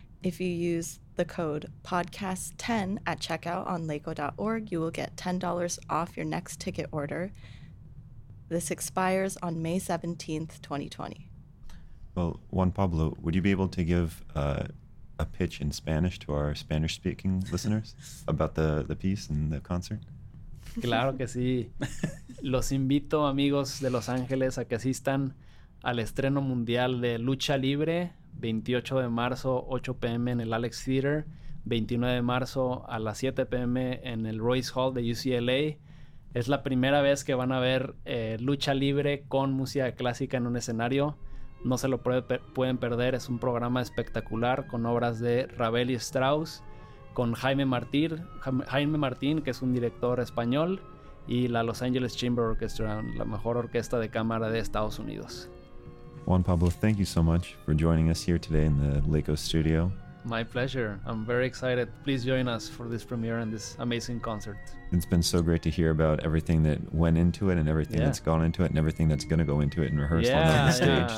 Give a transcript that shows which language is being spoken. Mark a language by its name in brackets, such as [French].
[English] If you use the code PODCAST10 at checkout on laco.org, you will get $10 off your next ticket order. This expires on May 17th, 2020. Well, Juan Pablo, would you be able to give a pitch in Spanish to our Spanish-speaking listeners about the piece and the concert? [Spanish] Claro que sí. Los invito, amigos de Los Ángeles, a que asistan al estreno mundial de Lucha Libre, 28 de marzo, 8 p.m. en el Alex Theater, 29 de marzo a las 7 p.m. en el Royce Hall de UCLA. Es la primera vez que van a ver Lucha Libre con música clásica en un escenario. No se lo pueden perder, es un programa espectacular con obras de Ravel y Strauss, con Jaime Martín, que es un director español, y la Los Angeles Chamber Orchestra, la mejor orquesta de cámara de Estados Unidos. [English] Juan Pablo, thank you so much for joining us here today in the Laco studio. My pleasure. I'm very excited. Please join us for this premiere and this amazing concert. It's been so great to hear about everything that went into it and everything that's gone into it and everything that's going to go into it and rehearsed on the stage.